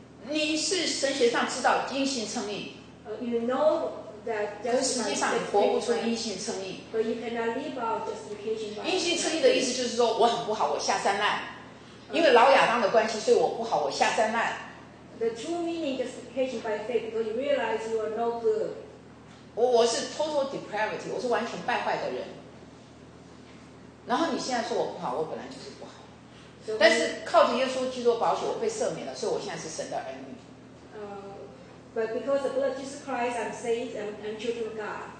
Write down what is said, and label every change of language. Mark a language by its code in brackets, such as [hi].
[zh] 你是神学上知道因信称义。 [en] You know that justification. [zh] 实际上你活不出因信称义。 [en] But you cannot live out justification. [zh] 因信称义的意思就是说我很不好，我下三滥。因为老亚当的关系，所以我不好，我下三滥。 [en] The true meaning justification by faith, because you realize you are no good. [zh] 我是 [en] total depravity, [zh] 我是完全败坏的人。然后你现在说我不好，我本来就是不好。 [en] So、 [zh] 但是靠着耶稣基督保守，我被赦免了，所以我现在是神的儿女。 [en] But because the blood of Jesus Christ, I'm saved and children of God.